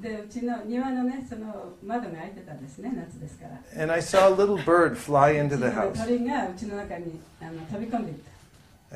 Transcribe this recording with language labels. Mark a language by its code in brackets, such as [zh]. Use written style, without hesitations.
[ja] でうちの庭のね、その窓が開いてたんですね、夏ですから。 [en] And I saw a little bird fly into the house. [ja] 鳥がうちの中に飛び込んでいった。